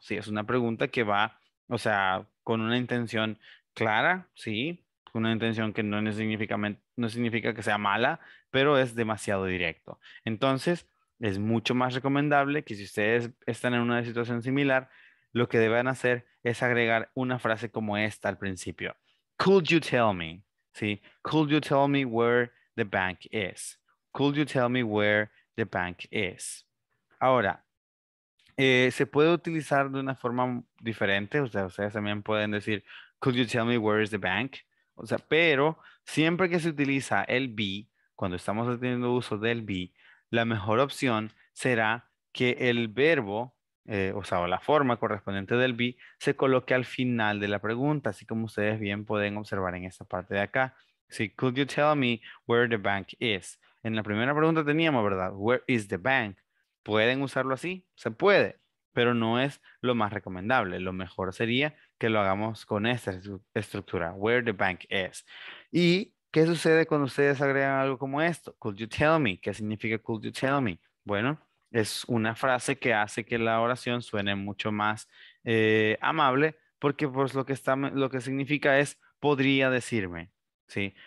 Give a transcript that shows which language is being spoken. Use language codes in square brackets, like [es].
[es] Sí, es una pregunta que va, o sea, con una intención clara, sí, una intención que no significa que sea mala, pero es demasiado directo. Entonces, es mucho más recomendable que si ustedes están en una situación similar, lo que deben hacer es agregar una frase como esta al principio. [en] Could you tell me, ¿sí? Could you tell me where the bank is? Could you tell me where the bank is? Ahora, se puede utilizar de una forma diferente. [es] O sea, ustedes también pueden decir, [en] could you tell me where is the bank? [es] O sea, pero siempre que se utiliza el be, cuando estamos haciendo uso del be, la mejor opción será que el verbo, o sea, la forma correspondiente del be, se coloque al final de la pregunta, así como ustedes bien pueden observar en esta parte de acá. [en] Sí, could you tell me where the bank is? [es] En la primera pregunta teníamos, ¿verdad?, [en] where is the bank. [es] ¿Pueden usarlo así? Se puede, pero no es lo más recomendable. Lo mejor sería que lo hagamos con esta estructura, [en] where the bank is. [es] ¿Y qué sucede cuando ustedes agregan algo como esto? [en] Could you tell me? [es] ¿Qué significa [en] could you tell me? [es] Bueno, es una frase que hace que la oración suene mucho más amable, porque pues lo que significa es, podría decirme, ¿sí?